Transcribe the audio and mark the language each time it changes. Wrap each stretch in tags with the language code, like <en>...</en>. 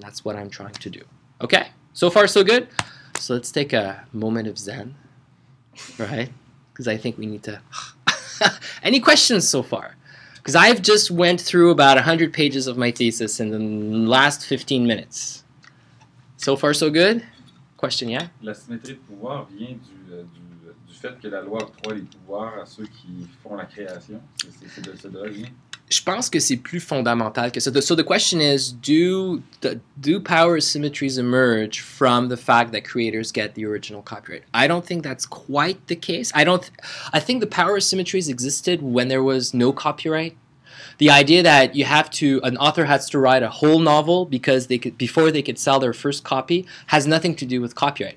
<en>And that's what I'm trying to do. Okay, so far so good. So let's take a moment of zen, right? Because I think we need to... Any questions so far? Because I've just went through about 100 pages of my thesis in the last 15 minutes. So far, so good? Question, yeah?</en> <fr>La symétrie de pouvoir vient du fait que la loi octroie les pouvoirs à ceux qui font la création. C'est de là que vient. Je pense que c'est plus fondamental que ça.</fr> <en>So the question is, do power asymmetries emerge from the fact that creators get the original copyright? I don't think that's quite the case. I think the power asymmetries existed when there was no copyright. The idea that an author has to write a whole novel before they could sell their first copy has nothing to do with copyright.</en>